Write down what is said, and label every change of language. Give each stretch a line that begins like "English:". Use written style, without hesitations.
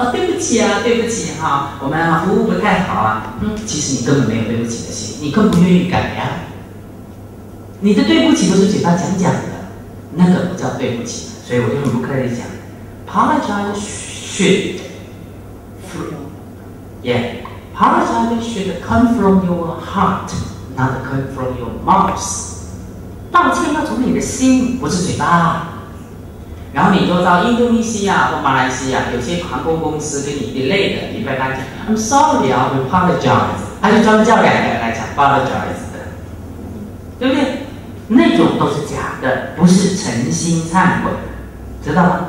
Chinese: 哦，对不起啊，对不起哈、啊，我们服务不太好啊。其实你根本没有对不起的心，你更不愿意改呀、你的对不起都是嘴巴讲讲的，那个不叫对不起。所以我就很不客气讲 ，
English: apologize should from，
Chinese: yeah。
English: Apologize should come from your heart, not come from your mouth.
Chinese: 道歉要从你的心，不是嘴巴。然后你都到印度尼西亚或马来西亚，有些航空公司跟你 delay 的，你跟他讲 ，
English: I'm sorry, I'll apologize.
Chinese: 他就专门叫两个人来讲 apologize 的，对不对？那种都是假的，不是诚心忏悔，知道吗？